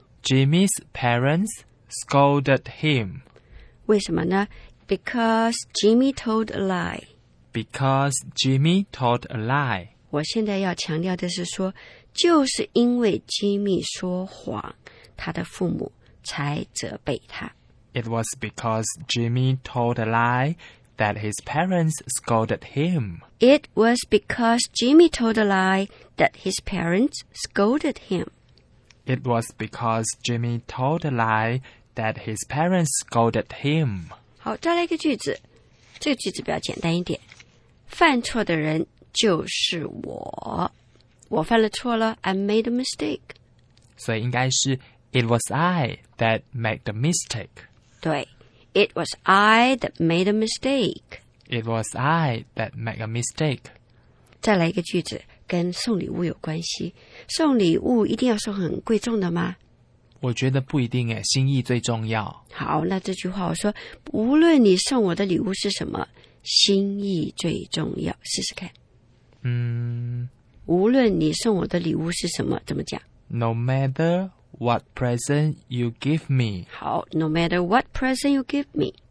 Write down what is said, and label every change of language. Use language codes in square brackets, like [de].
[en] Jimmy's parents scolded him. [zh] 为什么呢？ [en] Because Jimmy told a lie. Because Jimmy told a lie. [zh] 我现在要强调的是说，就是因为 Jimmy 说谎，他的父母才责备他。 [en] It was because Jimmy told a lie that his parents scolded him. It was because Jimmy told a lie. That his parents scolded him. It was because Jimmy told a lie that his parents scolded him. [zh] 好，再来一个句子。这个句子比较简单一点。犯错的人就是我。我犯了错了 , [en] I made a mistake. [zh] 所以应该是 [en] It was I that made the mistake. 对 ,It was I that made a mistake. It was I that made a mistake. [zh] 再来一个句子跟送礼物有关系。送礼物一定要送很贵重的吗？我觉得不一定耶，心意最重要。好，那这句话我说，无论你送我的礼物是什么，心意最重要。试试看。无论你送我的礼物是什么，怎么讲？ [en] No matter what present you give me. 好， No matter what present you give me.